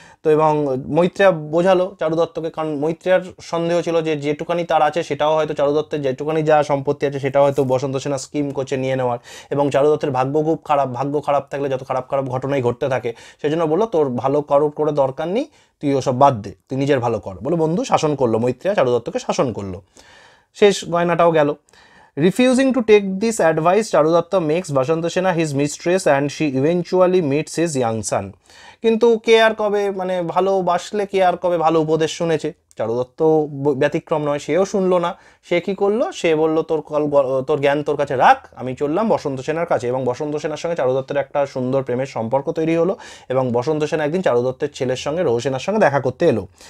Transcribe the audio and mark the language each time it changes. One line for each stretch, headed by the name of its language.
Bangla: তো এবং মৈত্রেয়া বোঝালো চারুদত্তকে, কারণ মৈত্রেয়ার সন্দেহ ছিল যে যেটুকানি তার আছে সেটাও হয়তো চারুদত্তের যেটুকানি যা সম্পত্তি আছে সেটাও হয়তো বসন্ত সেনা স্কিম করছে নিয়ে নেওয়ার, এবং চারুদত্তের ভাগ্য খুব খারাপ, ভাগ্য খারাপ থাকলে যত খারাপ খারাপ ঘটনাই ঘটতে থাকে, সেই জন্য বললো তোর ভালো কারোর করে দরকার নেই, তুই ওসব বাদ দে, তুই নিজের ভালো কর, বলো বন্ধু শাসন করলো মৈত্রেয়া চারুদত্তকে, শাসন করলো, শেষ গয়নাটাও গেল।
English: Refusing to take this advice, Charudatta makes Basanta Sena his mistress and she eventually meets his young son.
Bangla: কিন্তু কে আর কবে মানে ভালোবাসলে কে আর কবে ভালো উপদেশ শুনেছে, চারুদত্ত ব্যতিক্রম নয়, সেও শুনলো না। সে কি করলো? সে বলল তোর কল তোর জ্ঞান তোর কাছে রাখ, আমি চললাম বসন্ত সেনার কাছে। এবং বসন্ত সেনার সঙ্গে চারুদত্তের একটা সুন্দর প্রেমের সম্পর্ক তৈরি হলো এবং বসন্ত সেনা একদিন চারুদত্তের ছেলের সঙ্গে রহুসেনার সঙ্গে দেখা করতে এলো।